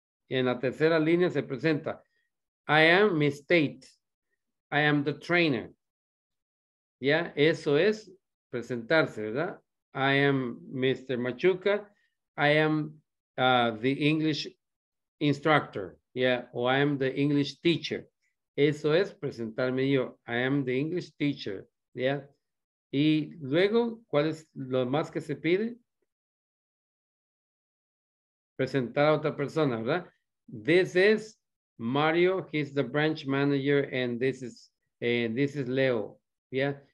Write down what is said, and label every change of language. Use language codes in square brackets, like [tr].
[es] En la tercera línea se presenta, [en] I am Miss Tate, I am the trainer. [es] Ya, eso es presentarse, ¿verdad? [en] I am Mr. Machuca, I am the English instructor, yeah, o I am the English teacher. [es] Eso es presentarme yo, [en] I am the English teacher, [es] ya. Y luego, ¿cuál es lo más que se pide? Presentar a otra persona, ¿verdad? [en] This is Mario, he's the branch manager, and this is Leo, yeah?